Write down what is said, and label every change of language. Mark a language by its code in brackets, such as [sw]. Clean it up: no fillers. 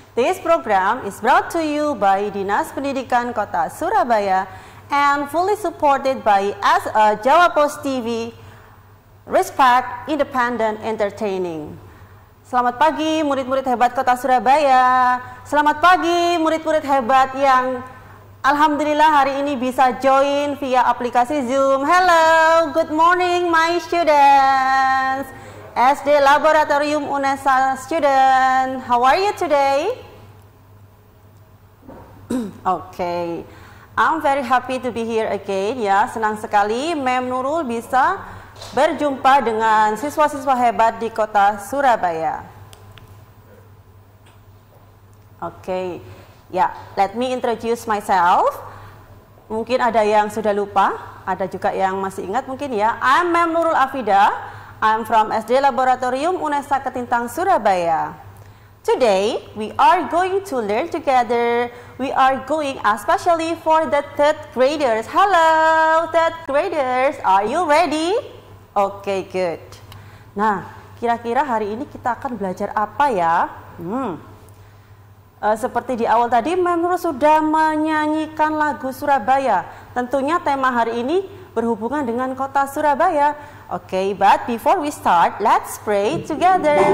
[en] This program is brought to you by Dinas Pendidikan Kota Surabaya and fully supported by SA Jawa Post TV, Respect Independent Entertaining. [id] Selamat pagi murid-murid hebat Kota Surabaya. Selamat pagi murid-murid hebat yang alhamdulillah hari ini bisa join via aplikasi Zoom. [en] Hello, good morning my students. SD Laboratorium UNESA student, how are you today? Okay, I'm very happy to be here again. [id] Ya, senang sekali Mem Nurul bisa berjumpa dengan siswa-siswa hebat di Kota Surabaya. [en] Okay, ya, let me introduce myself. [id] Mungkin ada yang sudah lupa, ada juga yang masih ingat mungkin ya. [en] I'm Mem Nurul Afida. I'm from SD Laboratorium UNESA Ketintang Surabaya. Today we are going to learn together. We are going especially for the third graders. Hello, third graders, are you ready? Okay, good. [id] Nah, kira-kira hari ini kita akan belajar apa ya? Seperti di awal tadi, Memru sudah menyanyikan lagu Surabaya. Tentunya tema hari ini berhubungan dengan Kota Surabaya. [en] Okay, but before we start, let's pray together.